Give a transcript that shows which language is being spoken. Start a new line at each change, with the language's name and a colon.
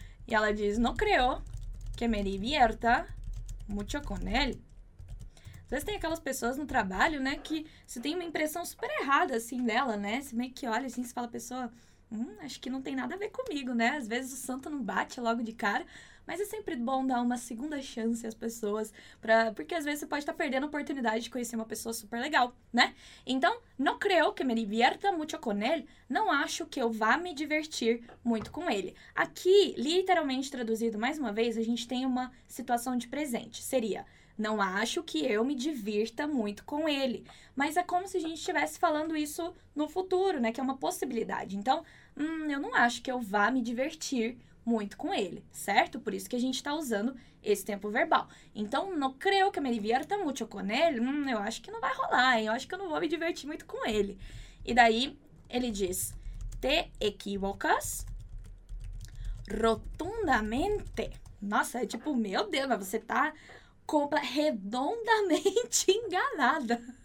Spanish: Y ella dice, no creo que me divierta mucho con él.
Portuguese: Entonces, tem aquelas pessoas no trabalho, né, que você tem uma impressão super errada, assim, dela, né? Você meio que olha, assim, você fala, pessoa, acho que não tem nada a ver comigo, né? Às vezes o santo não bate logo de cara, mas é sempre bom dar uma segunda chance às pessoas, porque às vezes você pode estar perdendo a oportunidade de conhecer uma pessoa super legal, né? Então,
Spanish: no creo que me divierta mucho con él,
Portuguese: não acho que eu vá me divertir muito com ele. Aqui, literalmente traduzido mais uma vez, a gente tem uma situação de presente, seria, não acho que eu me divirta muito com ele. Mas é como se a gente estivesse falando isso no futuro, né? Que é uma possibilidade. Então, eu não acho que eu vá me divertir muito com ele, certo? Por isso que a gente está usando esse tempo verbal.
Spanish: Então, no creo que me divierta mucho con él.
Portuguese: Eu acho que não vai rolar, hein? Eu acho que eu não vou me divertir muito com ele. E daí, ele diz,
Spanish: te equivocas rotundamente.
Portuguese: Nossa, é tipo, meu Deus, mas você tá redondamente enganada.